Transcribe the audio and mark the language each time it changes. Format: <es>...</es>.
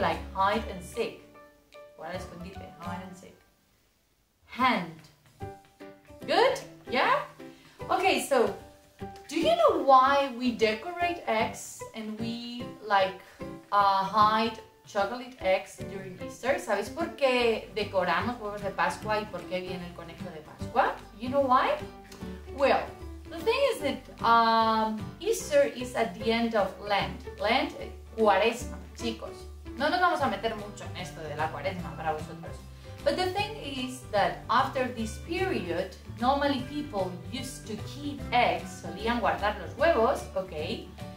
<en>Like hide and seek. What is escondite? Hide and seek. Hand. Good? Yeah? Okay, so do you know why we decorate eggs and we like hide chocolate eggs during Easter?</en> <es>¿Sabéis por qué decoramos huevos de Pascua y por qué viene el conejo de Pascua?</es> <en>You know why? Well, the thing is that Easter is at the end of Lent.</en> <es>Lent, cuaresma, chicos. No nos vamos a meter mucho en esto de la cuaresma para vosotros.</es> <en>But the thing is that that after this period, normally people used to keep eggs,</en> <es>solían guardar los huevos,</es> <en>okay?</en>